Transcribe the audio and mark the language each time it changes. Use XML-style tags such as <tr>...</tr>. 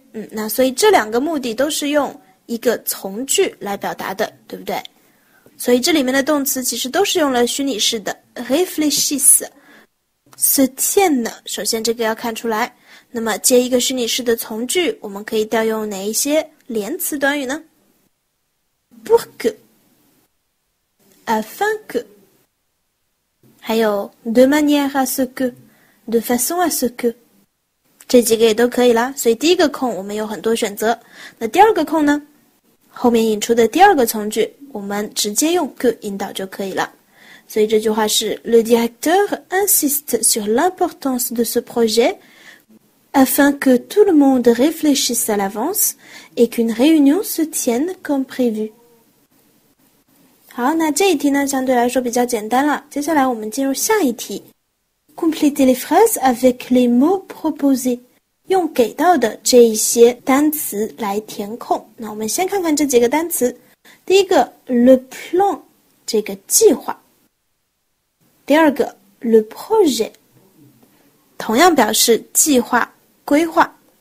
<zh>那所以这两个目的都是用一个从句来表达的，对不对？所以这里面的动词其实都是用了虚拟式的 réfléchisse。</zh> <fr>se tienne,</fr> <zh>首先这个要看出来。那么接一个虚拟式的从句，我们可以调用哪一些连词短语呢？</zh> <fr>pour que, afin que,</fr> <zh>还有</zh> <fr>de manière à ce que, de façon à ce que,</fr> <zh>这几个也都可以啦。所以第一个空我们有很多选择。那第二个空呢？后面引出的第二个从句，我们直接用 que 引导就可以了。所以这句话是</zh> <fr>Le directeur insiste sur l'importance de ce projet afin que tout le monde réfléchisse à l'avance et qu'une réunion se tienne comme prévu.</fr> <zh>好，那这一题呢相对来说比较简单了。接下来我们进入下一题。</zh> <fr>Complétez les phrases avec les mots proposés.</fr> <zh>用给到的这一些单词来填空。那我们先看看这几个单词。第一个 Le plan, 这个计划。第二个 le projet, 同样表示计划、规划。</zh>